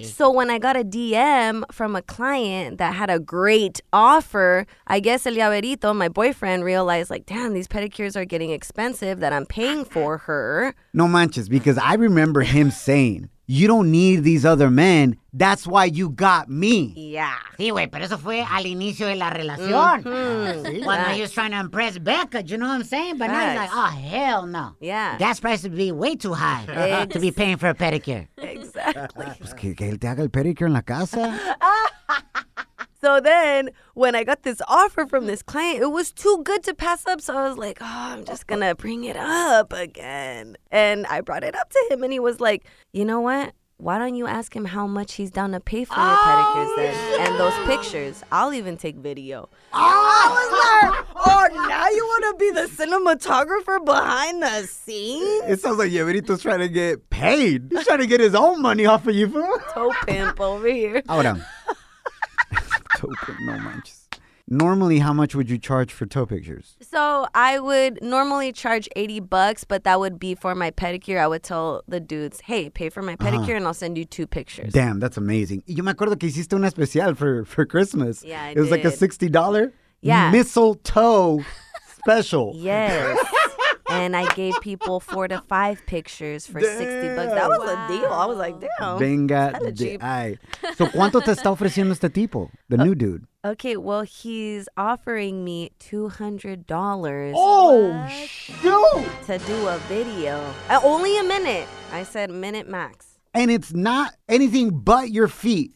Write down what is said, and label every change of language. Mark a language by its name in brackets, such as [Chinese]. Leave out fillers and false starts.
[English] Oh, so when I got a DM from a client that had a great offer, I guess El Llaverito, my boyfriend, realized like, damn, these pedicures are getting expensive that I'm paying for her. [Spanish] No manches, [English] because I remember him saying, you don't need these other men. That's why you got me. Yeah. [Spanish] Sí, güey, pero eso fue al inicio de la relación. [English] When I was trying to impress Becca, you know what I'm saying? But now he's like, oh, hell no. Yeah. Gas prices would be way too high to be paying for a pedicure. Exactly. [Spanish] Pues que él te haga el pedicure en la casa. [English] So then, when I got this offer from this client, it was too good to pass up. So I was like, oh, I'm just going to bring it up again. And I brought it up to him, and he was like, you know what? Why don't you ask him how much he's down to pay for the pedicures then? Yeah. And those pictures. I'll even take video. Oh, I was like, oh, now you want to be the cinematographer behind the scenes? It sounds like Llaverito's trying to get paid. He's trying to get his own money off of you, fool. Toe pimp over here. Hold on. [Spanish] No manches. [English] Normally, how much would you charge for toe pictures? So I would normally charge $80, but that would be for my pedicure. I would tell the dudes, hey, pay for my pedicure and I'll send you 2 pictures. Damn, that's amazing. [Spanish] Yo me acuerdo que hiciste una especial [English] for Christmas. Yeah, I did. It was like a $60 mistletoe special. Yes. And I gave people 4 to 5 pictures for $60. That was a deal. I was like, damn. [Spanish] Venga de ahí. So, ¿cuánto te está ofreciendo este tipo, [English] the new dude? Okay, well, he's offering me $200. To do a video. Only a minute. I said minute max. And it's not anything but your feet.